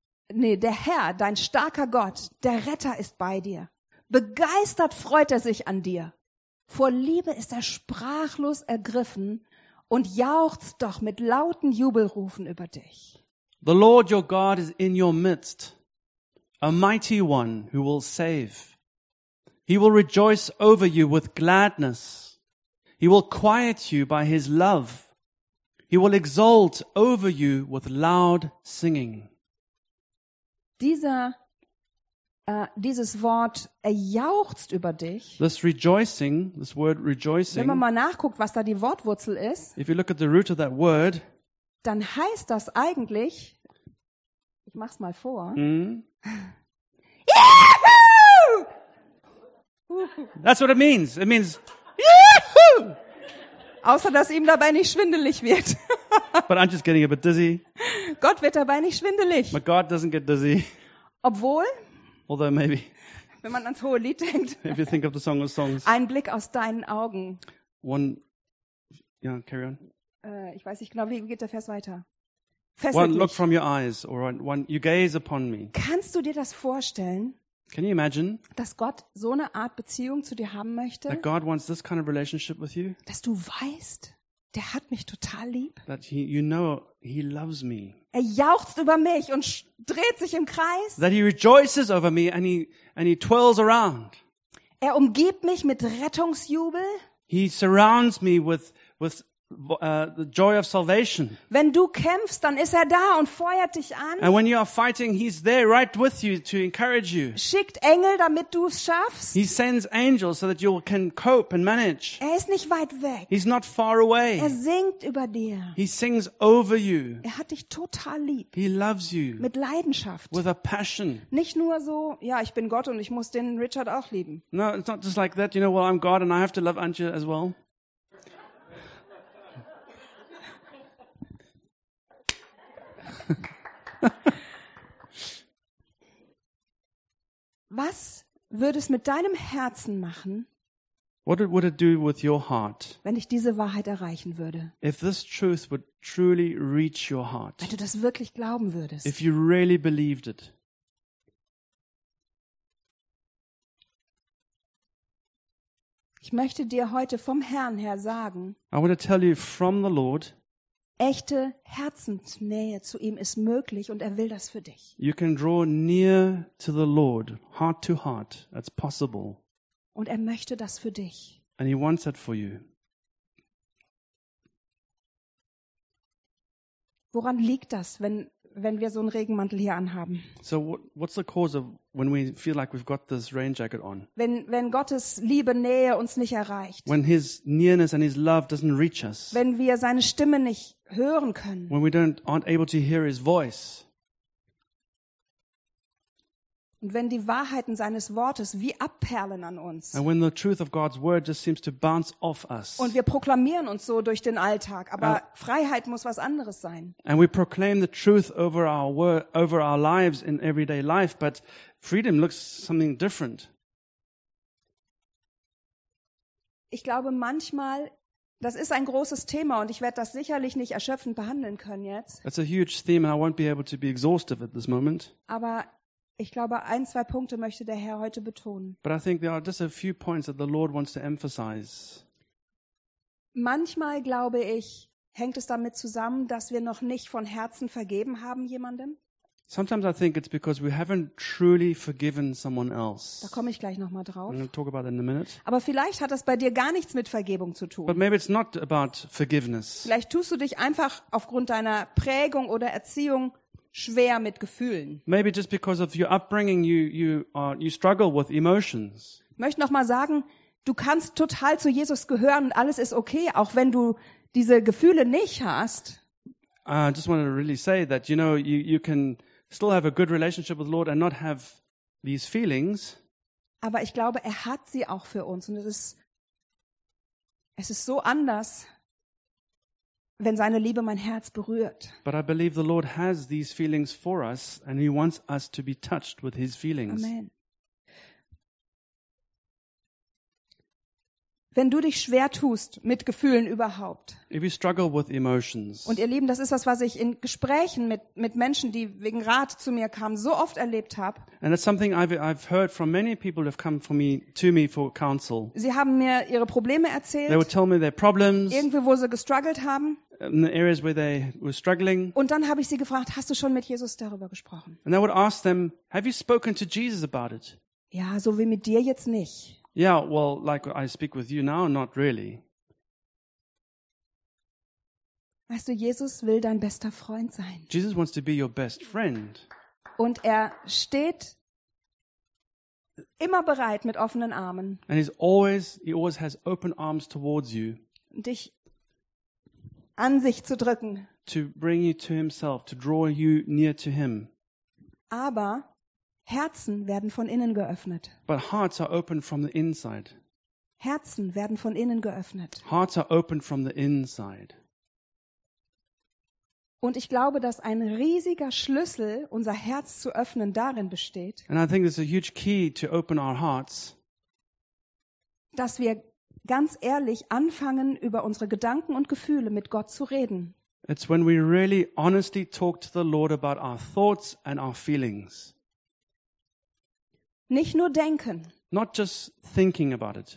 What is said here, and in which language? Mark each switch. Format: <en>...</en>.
<de>Der Herr, dein starker Gott, der Retter ist bei dir. Begeistert freut er sich an dir. Vor Liebe ist er sprachlos ergriffen. Und jauchzt doch mit lauten Jubelrufen über dich.</de> <en>The Lord your God is in your midst, a mighty one who will save. He will rejoice over you with gladness. He will quiet you by his love. He will exult over you with loud singing.</en> <de>Dieses Wort, er jauchzt über dich.</de> <en>This rejoicing, this word rejoicing.</en> <de>Wenn man mal nachguckt, was da die Wortwurzel ist.</de> <en>If you look at the root of that word.</en> <de>Dann heißt das eigentlich, ich mach's mal vor.</de> <en>Mm-hmm. That's what it means. It means, yahoo!</en> <de>Außer, dass ihm dabei nicht schwindelig wird.</de> <en>But I'm just getting a bit dizzy.</en> <de>Gott wird dabei nicht schwindelig.</de> <en>But God doesn't get dizzy.</en> <de>Obwohl.</de> <en>Although maybe,</en> <de>wenn man ans hohe Lied denkt,</de> <en>if you think of the Song of Songs,</en> <de>ein Blick aus deinen Augen.</de> <en>One, yeah, carry on.</en> <de>Ich weiß nicht genau, wie geht der Vers weiter?</de> <en>One look from your eyes, or one you gaze upon me.</en> <de>Kannst du dir das vorstellen?</de> <en>Can you imagine,</en> <de>dass Gott so eine Art Beziehung zu dir haben möchte?</de> <en>That God wants this kind of relationship with you.</en> <de>Dass du weißt, der hat mich total lieb.</de> <en>That he, you know, he loves me.</en> <de>Er jauchzt über mich und dreht sich im Kreis.</de> <en>That he rejoices over me and he twirls around.</en> <de>Er umgibt mich mit Rettungsjubel.</de> <en>He surrounds me with the joy of salvation.</en> <de>Wenn du kämpfst, dann ist er da und feuert dich an.</de> <en>And when you are fighting, he's there right with you to encourage you.</en> <de>Schickt Engel, damit du es schaffst.</de> <en>He sends angels so that you can cope and manage.</en> <de>Er ist nicht weit weg.</de> <en>He's not far away.</en> <de>Er singt über dir.</de> <en>He sings over you.</en> <de>Er hat dich total lieb.</de> <en>He loves you.</en> <de>Mit Leidenschaft.</de> <en>With a passion.</en> <de>Nicht nur so, ja, ich bin Gott und ich muss den Richard auch lieben.</de> <en>No, it's not just like that. You know, well, I'm God and I have to love Angela as well.</en> <de>Was würde es mit deinem Herzen machen?</de> <en>What would it do with your heart?</en> <de>Wenn ich diese Wahrheit erreichen würde.</de> <en>If this truth would truly reach your heart.</en> <de>Wenn du das wirklich glauben würdest.</de> <en>If you really believed it.</en> <de>Ich möchte dir heute vom Herrn her sagen.</de> <en>I want to tell you from the Lord.</en> <de>Echte Herzensnähe zu ihm ist möglich und er will das für dich.</de> <en>You can draw near to the Lord, heart to heart, that's possible.</en> <de>Und er möchte das für dich.</de> <en>And he wants that for you.</en> <de>Woran liegt das, wenn wir so einen Regenmantel hier anhaben?</de> <en>So what's the cause of when we feel like we've got this rain jacket on?</en> <de>Wenn Gottes Liebe Nähe uns nicht erreicht.</de> <en>When his nearness and his love doesn't reach us.</en> <de>Wenn wir seine Stimme nicht hören können.</de> <en>When we aren't able to hear his voice.</en> <de>Und wenn die Wahrheiten seines Wortes wie abperlen an uns.</de> <en>And when the truth of God's word just seems to bounce off us.</en> <de>Und wir proklamieren uns so durch den Alltag, aber Freiheit muss was anderes sein.</de> <en>And we proclaim the truth over our word, over our lives in everyday life, but freedom looks something different.</en> <de>Ich glaube, manchmal Das ist ein großes Thema und ich werde das sicherlich nicht erschöpfend behandeln können jetzt.</de> <en>It's a huge theme and I won't be able to be exhaustive at this moment.</en> <de>Aber ich glaube, ein, zwei Punkte möchte der Herr heute betonen.</de> <en>But I think there are just a few points that the Lord wants to emphasize.</en> <de>Manchmal glaube ich, hängt es damit zusammen, dass wir noch nicht von Herzen vergeben haben jemandem?</de> <en>Sometimes I think it's because we haven't truly forgiven someone else.</en> <de>Da komme ich gleich nochmal drauf.</de> <en>I'm going to talk about that in a minute.</en> <de>Aber vielleicht hat das bei dir gar nichts mit Vergebung zu tun.</de> <en>But maybe it's not about forgiveness.</en> <de>Vielleicht tust du dich einfach aufgrund deiner Prägung oder Erziehung schwer mit Gefühlen.</de> <en>Maybe just because of your upbringing you struggle with emotions.</en> <de>Ich möchte nochmal sagen, du kannst total zu Jesus gehören und alles ist okay, auch wenn du diese Gefühle nicht hast.</de> <en>I just wanted to really say that, you know, you can still have a good relationship with the Lord and not have these feelings.</en> <de>Aber ich glaube, er hat sie auch für uns und es ist so anders, wenn seine Liebe mein Herz berührt.</de> <en>But I believe the Lord has these feelings for us and he wants us to be touched with his feelings.</en> <de>Amen. Wenn du dich schwer tust mit Gefühlen überhaupt.</de> <en>If you struggle with emotions.</en> <de>Und ihr Lieben, das ist was ich in Gesprächen mit Menschen, die wegen Rat zu mir kamen, so oft erlebt habe.</de> <en>And that's something I've heard from many people who have come for me to me for counsel.</en> <de>Sie haben mir ihre Probleme erzählt.</de> <en>They would tell me their problems.</en> <de>Irgendwie wo sie gestruggelt haben.</de> <en>In the areas where they were struggling.</en> <de>Und dann habe ich sie gefragt, hast du schon mit Jesus darüber gesprochen?</de> <en>And I would ask them, have you spoken to Jesus about it?</en> <de>Ja, so wie mit dir jetzt nicht.</de> <en>Yeah, well, like I speak with you now, not really.</en> <de>Weißt du, Jesus will dein bester Freund sein.</de> <en>Jesus wants to be your best friend.</en> <de>Und er steht immer bereit mit offenen Armen.</de> <en>And he always has open arms towards you.</en> <de>Dich an sich zu drücken.</de> <en>To bring you to himself, to draw you near to him.</en> <de>Aber Herzen werden von innen geöffnet.</de> <en>But hearts are open from the inside.</en> <de>Herzen werden von innen geöffnet.</de> <en>Hearts are open from the inside.</en> <de>Und ich glaube, dass ein riesiger Schlüssel, unser Herz zu öffnen, darin besteht.</de> <en>And I think there's a huge key to open our hearts.</en> <de>Dass wir ganz ehrlich anfangen, über unsere Gedanken und Gefühle mit Gott zu reden.</de> <en>It's when we really honestly talk to the Lord about our thoughts and our feelings.</en> <de>Nicht nur denken,</de> <en>not just thinking about it,</en>